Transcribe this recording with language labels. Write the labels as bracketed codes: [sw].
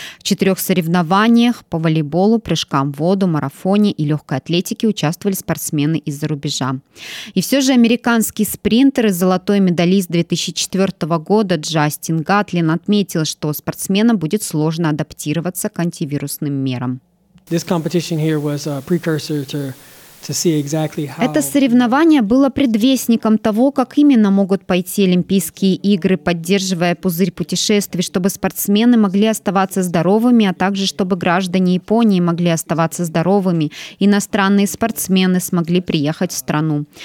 [ru] В 4 соревнованиях по волейболу, прыжкам в воду, марафоне и легкой атлетике участвовали спортсмены из-за рубежа. И все же американский спринтер и золотой медалист 2004 года Джастин Гатлин отметил, что спортсменам будет сложно адаптироваться к антивирусным мерам. [en] This competition here was a precursor to... [ru] Это соревнование было предвестником того, как именно могут пойти Олимпийские игры, поддерживая пузырь путешествий, чтобы спортсмены могли оставаться здоровыми, а также чтобы граждане Японии могли оставаться здоровыми, иностранные спортсмены смогли приехать в страну.